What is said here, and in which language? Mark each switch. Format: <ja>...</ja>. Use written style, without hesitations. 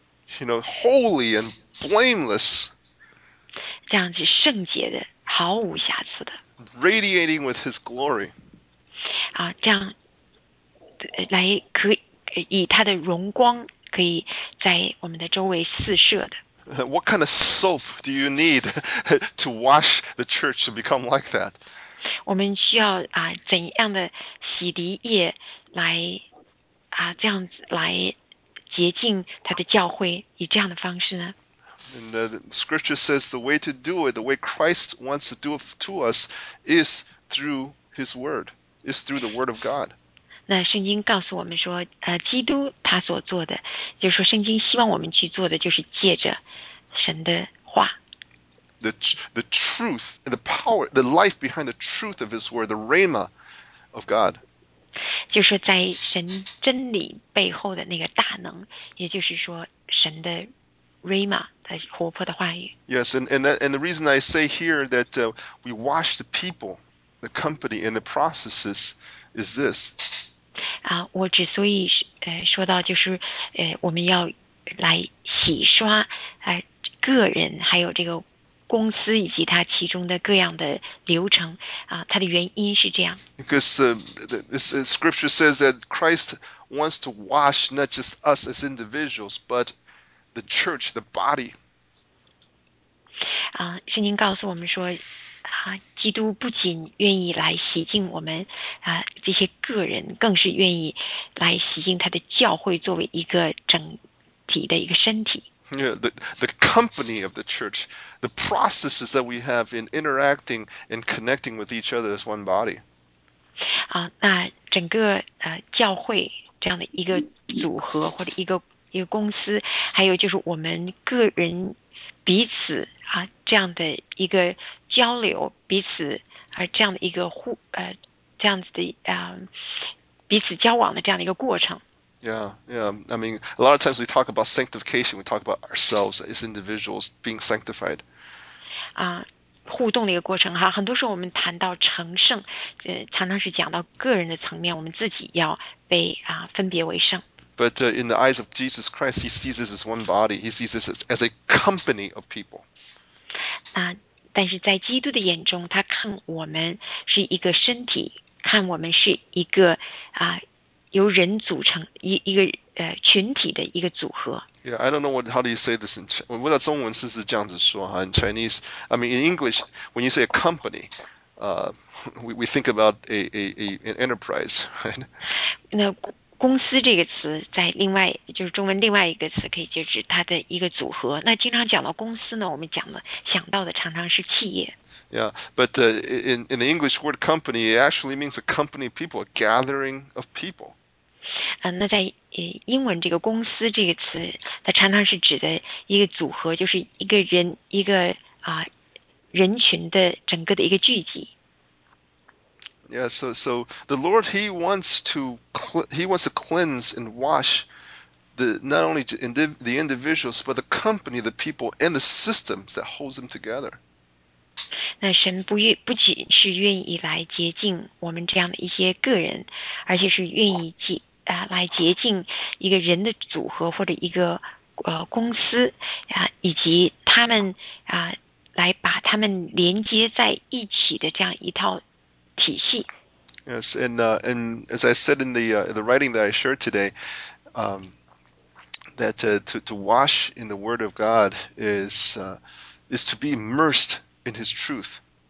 <en>holy and blameless,</en> <zh>这样子圣洁的、毫无瑕疵的</zh> <en>radiating with His glory.</en> <zh>这样。来可以他的荣光可以在我们的周围四射的。</zh> <en>What kind of soap do you need to wash the church to become like that?</en> <zh>我们需要怎样的洗涤液来这样子来洁净他的教会，以这样的方式呢？</zh> <en>And the scripture says the way to do it, the way Christ wants to do it to us, is through His word, is through the word of God.</en> <zh>那圣经告诉我们说，基督他所做的，就是说圣经希望我们去做的，就是借着神的话。</zh> <en>The truth, the power, the life behind the truth of His word, the rhema of God.</en> <zh>就是在神真理背后的那个大能，也就是说神的 rhema 的活泼的话语。</zh> <en>Yes, and the reason I say here that we wash the people, the company, and the processes is this.</en> <zh>啊，我之所以说到就是我们要来洗刷个人还有这个公司以及它其中的各样的流程啊，它的原因是这样。</zh> <en>Because the scripture says that Christ wants to wash not just us as individuals, but the church, the body.</en> <zh>啊，圣经告诉我们说，啊，基督不仅愿意来洗净我们啊这些个人，更是愿意来洗净他的教会作为一个整体的一个身体。</zh> <en>Yeah, the company of the church, the processes that we have in interacting and connecting with each other as one body.</en> <zh>啊，那整个教会这样的一个组合或者一个公司，还有就是我们个人彼此啊这样的一个交流，彼此啊这样的一个互呃这样子的啊、呃、彼此交往的这样的一个过程。</zh> <en>Yeah. I mean, a lot of times we talk about sanctification, we talk about ourselves as individuals being sanctified.</en> <zh>啊。互动的一个过程哈，很多时候我们谈到成圣，常常是讲到个人的层面，我们自己要被分别为圣。</zh> <en>But in the eyes of Jesus Christ, he sees this as one body. He sees this as a company of people.</en> <zh>但是在基督的眼中，他看我们是一个身体，看我们是一个由人组成一个群体的一个组合。</zh> <en>Yeah, I don't know how do you say this in Chinese.</en> <zh>我不知道中文是不是这样子说哈。</zh> <en>In Chinese, I mean, in English, when you say a company, we think about an enterprise, right?</en> <zh>那公司这个词，在另外就是中文另外一个词，可以就指它的一个组合。那经常讲到公司呢，我们想到的常常是企业。</zh> <en>Yeah, but in the English word company, it actually means a company of people, a gathering of people.</en> <zh>那在英文这个公司这个词，它常常是指的一个组合，就是一个人一个人群的整个的一个聚集。</zh> <en>Yeah, so the Lord he wants to cleanse and wash the not only the individuals but the company, the people and the systems that holds them together.</en> <zh>那神不仅是愿意来洁净我们这样的一些个人，而且是愿意来洁净一个人的组合或者一个公司以及他们来把他们连接在一起的这样一套体系。</zh> <en>Yes, and as I said in the writing that I shared today, that to wash in the Word of God is to be immersed in His truth.</en>